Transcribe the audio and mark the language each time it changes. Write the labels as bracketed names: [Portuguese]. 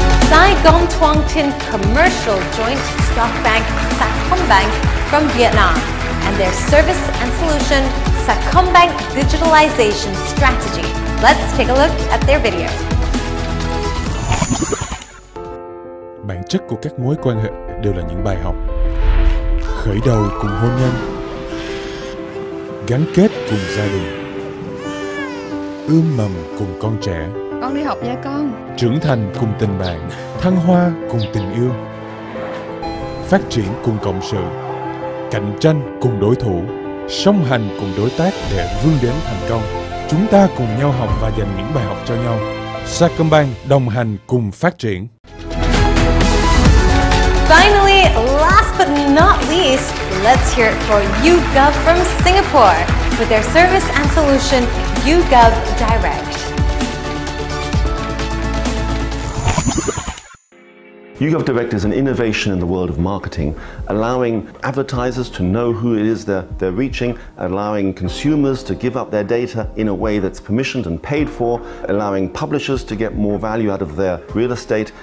[English] Saigon Thuong Tin Commercial Joint Stock Bank, Sacombank, from Vietnam, and their service and solution, Sacombank Digitalization Strategy. Let's take a look at their video. [Vietnamese] Bản chất của các mối quan hệ đều là những bài học. Khởi đầu cùng hôn nhân, gắn kết cùng gia đình, ươm mầm cùng con trẻ, con đi học nha con, trưởng thành cùng tình bạn, thăng hoa cùng tình yêu, phát triển cùng cộng sự, cạnh tranh cùng đối thủ, song hành cùng đối tác để vươn đến thành công. Chúng ta cùng nhau học và dành những bài học cho nhau. Sacombank đồng hành cùng phát triển. [English] Finally, last but not least, let's hear it for YouGov from Singapore with their service and solution, YouGov Direct. YouGov Direct is an innovation in the world of marketing, allowing advertisers to know who it is they're reaching, allowing consumers to give up their data in a way that's permissioned and paid for, allowing publishers to get more value out of their real estate.